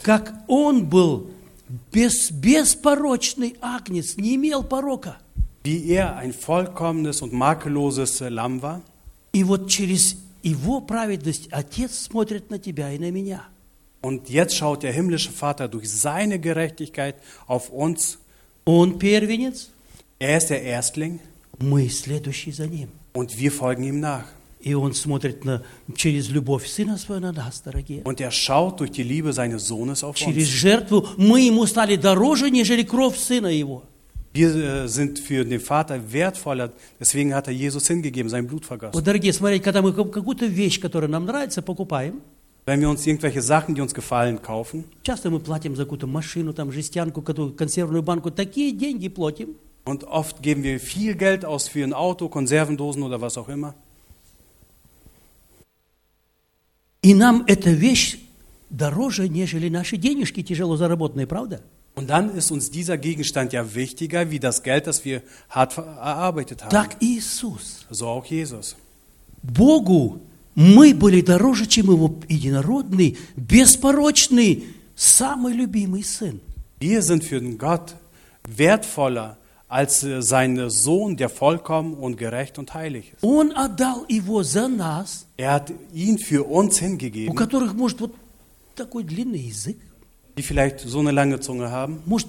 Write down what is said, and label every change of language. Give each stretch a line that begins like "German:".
Russian: Как он был беспорочный агнец, не имел порока.
German: Wie er ein vollkommenes und makelloses Lamm war.
Russian: И вот через его праведность Отец смотрит на тебя и на меня.
German: Und jetzt schaut der himmlische Vater durch seine Gerechtigkeit auf uns.
Russian: Und первенец.
German: Er ist der Erstling.
Russian: Мы следующие за ним.
German: Und wir folgen ihm nach.
Russian: И он смотрит на через любовь сына своего на нас, дорогие.
German: Und er schaut durch die Liebe seines Sohnes auf
Russian: через Через жертву мы ему стали дороже, нежели кровь сына его.
German: Wir sind für den Vater wertvoller, deswegen hat er Jesus hingegeben, sein Blut vergossen.
Russian: Вот, дорогие, смотрите, когда мы какую-то вещь, которая нам нравится, покупаем.
German: Wenn wir uns irgendwelche Sachen, die uns gefallen, kaufen.
Russian: Часто мы платим за какую-то машину, там жестянку, консервную банку, такие деньги платим.
German: Und oft geben wir viel Geld aus für ein Auto, Konservendosen oder was auch immer.
Russian: И нам эта вещь дороже, нежели наши денежки, тяжело заработанные, правда?
German: Und dann ist uns dieser Gegenstand ja wichtiger, wie das Geld, das wir hart erarbeitet haben.
Russian: Так Иисус.
German: So auch Jesus.
Russian: Богу мы были дороже, чем его единородный, беспорочный, самый любимый сын.
German: Wir sind für den Gott wertvoller als sein Sohn, der vollkommen und gerecht und heilig ist.
Russian: Он отдал его за нас.
German: Er hat ihn für uns hingegeben.
Russian: У которых может вот такой длинный язык.
German: Die vielleicht so eine lange Zunge haben.